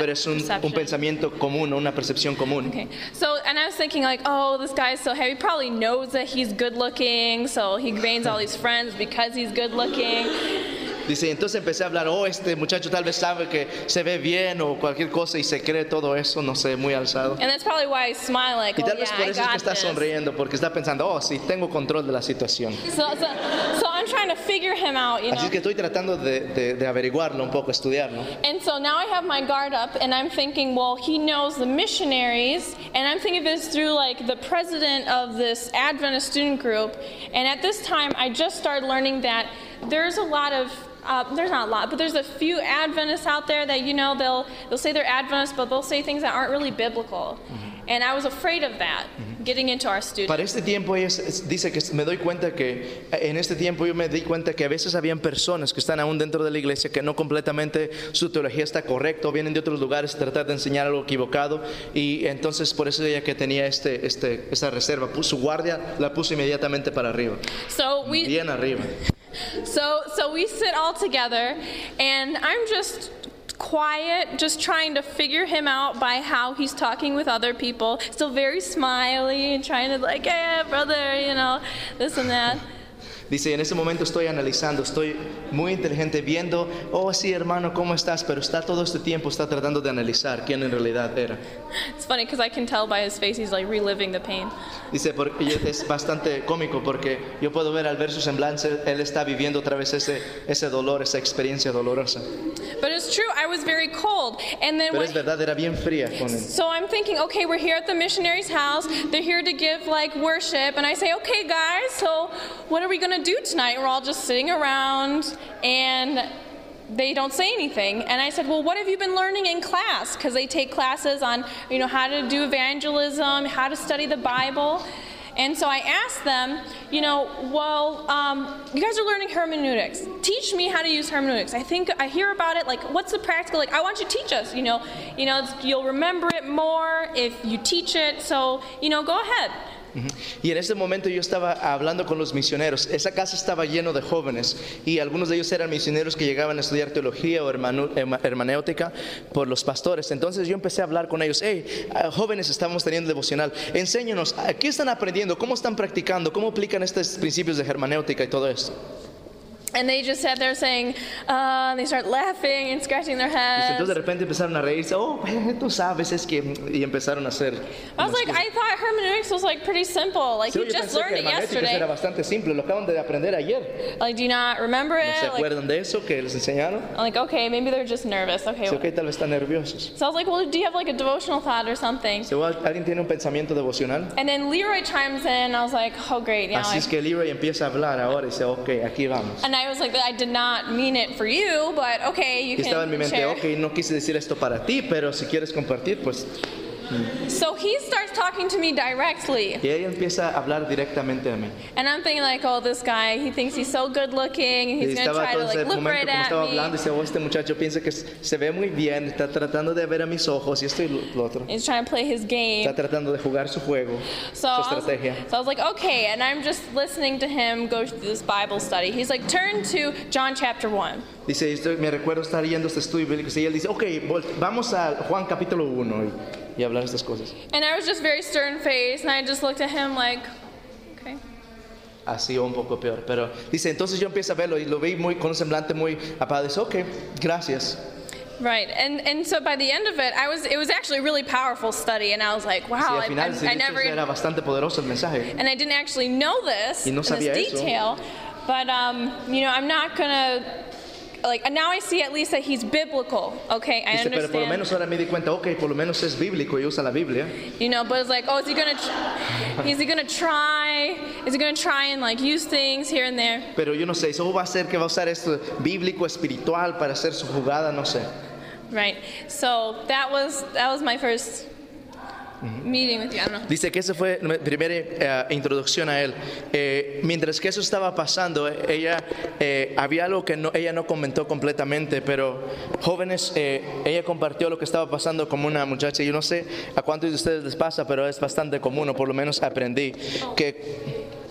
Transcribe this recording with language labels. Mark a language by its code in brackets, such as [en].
[es] Pero es un pensamiento común, una percepción común. [en] Okay. So, and I was thinking, like, oh, this guy is so heavy. He probably knows that he's good looking, so he gains all these friends because he's good looking. [es] Dice, entonces empecé a hablar, oh, este muchacho tal vez sabe que se ve bien o cualquier cosa y se cree todo eso, no sé, muy alzado. [en] And that's probably why he's smiling, like, [es] y tal oh, vez [en] yeah, [es] por eso es que [en] this. [es] Está sonriendo, porque está pensando, oh, sí, tengo control de la situación. [en] So I'm trying to figure him out, you [es] así [en] know? [es] Es que estoy tratando de averiguarlo un poco, estudiarlo. [en] And so now I have my guard up, and I'm thinking, well, he knows the missionaries, and I'm thinking this through, like, the president of this Adventist student group, and at this time, I just started learning that there's a lot of there's not a lot, but there's a few Adventists out there that, you know, they'll say they're Adventists, but they'll say things that aren't really biblical. And I was afraid of that, getting into our students. [es] Para este tiempo ella dice que me doy cuenta que en este tiempo yo me di cuenta que a veces habían personas que están aún dentro de la iglesia que no completamente su teología está correcta o vienen de otros lugares tratar de enseñar algo equivocado, y entonces por eso ella que tenía esta reserva, su guardia la puso inmediatamente para arriba. Bien arriba. [en] So we sit all together and I'm just quiet, just trying to figure him out by how he's talking with other people, still very smiley and trying to like, hey, brother, you know, this and that. [es] Dice, en ese momento estoy analizando, estoy muy inteligente viendo, oh sí, hermano, ¿cómo estás? Pero está todo este tiempo, está tratando de analizar quién en realidad era. [en] It's funny because I can tell by his face he's like reliving the pain. [es] Dice, porque es bastante cómico porque yo puedo ver al ver su semblante, él está viviendo otra vez ese dolor, esa experiencia dolorosa. [en] But it's true, I was very cold. And then [es] pero es verdad, era bien fría con él. [en] So I'm thinking, okay, we're here at the missionary's house, they're here to give like worship, and I say, okay, guys, so what are we going to do tonight? We're all just sitting around and they don't say anything. And I said, well, what have you been learning in class? Because they take classes on, you know, how to do evangelism, how to study the Bible. And so I asked them, you know, well, you guys are learning hermeneutics. Teach me how to use hermeneutics. I hear about it. Like, what's the practical? Like, I want you to teach us, you know, you'll remember it more if you teach it. So, you know, go ahead. [es] Y en ese momento yo estaba hablando con los misioneros. Esa casa estaba lleno de jóvenes y algunos de ellos eran misioneros que llegaban a estudiar teología o hermenéutica por los pastores. Entonces yo empecé a hablar con ellos. Hey, jóvenes, estamos teniendo devocional. Enséñenos, ¿qué están aprendiendo? ¿Cómo están practicando? ¿Cómo aplican estos principios de hermenéutica y todo esto? [en] And they just sat there saying, they start laughing and scratching their heads. [es] Entonces de repente empezaron a reírse. Oh, tú sabes, es que, y empezaron a hacer. [en] I was like, I thought hermeneutics was like pretty simple. Like, you just learned it yesterday. [es] Era bastante simple. Lo acaban de aprender ayer. [en] Like, do you not remember it? [es] ¿No se acuerdan de eso que les enseñaron? [en] I'm like, okay, maybe they're just nervous. Okay, [es] sí, okay, tal vez están nerviosos. [en] So I was like, well, do you have like a devotional thought or something? [es] ¿Sí, alguien tiene un pensamiento devocional? [en] And then Leroy chimes in. I was like, oh, great. [es] Now así es que Leroy empieza a hablar ahora y dice, okay, aquí vamos. [en] I was like, I did not mean it for you, but okay, you can [es] estaba en mi mente, [en] share. [es] Okay, no quise decir esto para ti, pero si quieres compartir, pues. [en] So he starts talking to me directly. [es] Y ella empieza a hablar directamente a mí. [en] And I'm thinking like, oh, this guy, he thinks he's so good looking, and he's going to try to like look right at me. [es] Estaba hablando y decía, oh, este muchacho piensa que se ve muy bien, está tratando de ver a mis ojos y esto y lo otro. [en] He's trying to play his game. [es] Está tratando de jugar su juego, [en] so [es] su estrategia. [en] So I was like, okay, and I'm just listening to him go through this Bible study. He's like, turn to John chapter 1. [es] Dice, me recuerdo estar yendo este estudio bíblico. Y él dice, okay, vamos a Juan capítulo 1 hoy. Y hablar estas cosas. [en] And I was just very stern faced, and I just looked at him like, okay. [es] Así un poco peor, pero dice, entonces yo empiezo a verlo y lo vi muy con un semblante muy apagado. Dice, okay, gracias. [en] Right, and so by the end of it, it was actually a really powerful study, and I was like, wow, [es] sí, final, [en] I never. [es] Era bastante poderoso el mensaje. [en] And I didn't actually know this [es] y no sabía [en] in this [es] eso. [en] Detail, but you know, I'm not gonna. Like, and now I see at least that he's biblical. Okay, I understand. [es] Pero por lo menos ahora me di cuenta, okay, por lo menos es bíblico y usa la Biblia. [en] You know, but it's like, oh, is he gonna try and like use things here and there? [es] Pero yo no sé, ¿eso va a ser que va a usar esto bíblico espiritual para hacer su jugada? No sé. [en] Right. So that was my first meeting with you. I don't know. [es] Dice que esa fue mi primera introducción a él. Mientras que eso estaba pasando, ella había algo que ella no comentó completamente, pero jóvenes, ella compartió lo que estaba pasando como una muchacha. Yo no sé a cuántos de ustedes les pasa, pero es bastante común, o por lo menos aprendí que.